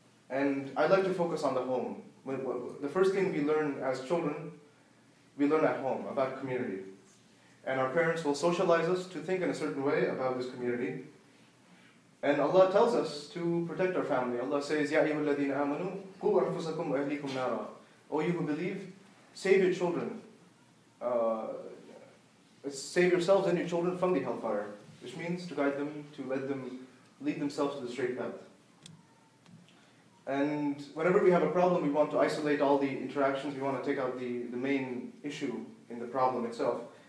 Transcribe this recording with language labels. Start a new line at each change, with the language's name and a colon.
English: And I'd like to focus on the home. The first thing we learn as children, we learn at home about community. And our parents will socialize us to think in a certain way about this community. And Allah tells us to protect our family. Allah says,
Arabic: يَا أَيُّهَا الَّذِينَ آمَنُوا قُوا أَنفُسَكُمْ وَأَهْلِيكُمْ نَارًا.
English: O you who believe, save your children. Save yourselves and your children from the hellfire. Which means to guide them, to let them lead themselves to the straight path. And whenever we have a problem, we want to isolate all the interactions, we want to take out the main issue in the problem itself.